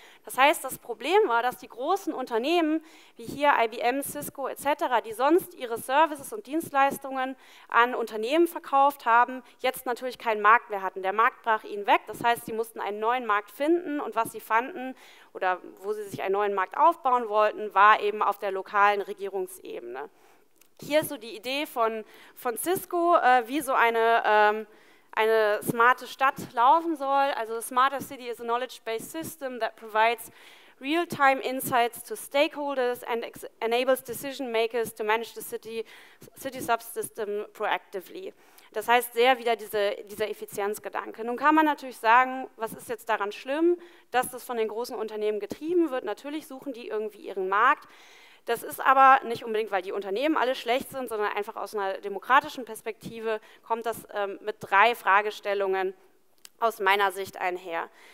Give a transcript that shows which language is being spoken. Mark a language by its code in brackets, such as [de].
[de] Das heißt, das Problem war, dass die großen Unternehmen wie hier IBM, Cisco etc., die sonst ihre Services und Dienstleistungen an Unternehmen verkauft haben, jetzt natürlich keinen Markt mehr hatten. Der Markt brach ihnen weg, das heißt, sie mussten einen neuen Markt finden und was sie fanden oder wo sie sich einen neuen Markt aufbauen wollten, war eben auf der lokalen Regierungsebene. Hier ist so die Idee von Cisco, wie so eine smarte Stadt laufen soll. [en] Also a smarter city is a knowledge-based system that provides real-time insights to stakeholders and enables decision-makers to manage the city subsystem proactively. [de] Das heißt sehr wieder dieser Effizienzgedanke. Nun kann man natürlich sagen, was ist jetzt daran schlimm, dass das von den großen Unternehmen getrieben wird. Natürlich suchen die irgendwie ihren Markt. Das ist aber nicht unbedingt, weil die Unternehmen alle schlecht sind, sondern einfach aus einer demokratischen Perspektive kommt das mit drei Fragestellungen aus meiner Sicht einher.